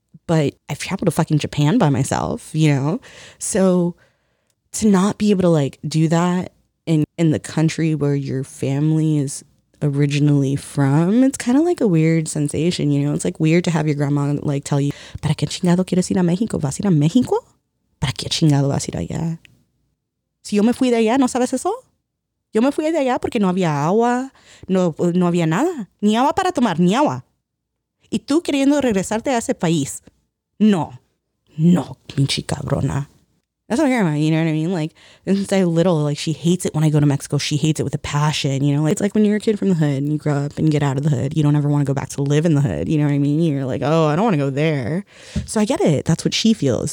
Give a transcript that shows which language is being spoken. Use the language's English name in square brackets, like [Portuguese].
[English] But I've traveled to fucking Japan by myself, you know? So to not be able to, like, do that in the country where your family is originally from, it's kind of like a weird sensation, you know? It's like weird to have your grandma like tell you, [Spanish] ¿Para qué chingado quieres ir a México? ¿Vas a ir a México? ¿Para qué chingado vas a ir allá? Si yo me fui de allá, ¿no sabes eso? Yo me fui de allá porque no había agua, no había nada, ni agua para tomar, ni agua. Y tú queriendo regresarte a ese país. No, pinche cabrona. [English] That's my grandma, you know what I mean? Like, since I was little, like, she hates it when I go to Mexico. She hates it with a passion, you know? Like, it's like when you're a kid from the hood and you grow up and get out of the hood. You don't ever want to go back to live in the hood, you know what I mean? You're like, oh, I don't want to go there. So I get it. That's what she feels.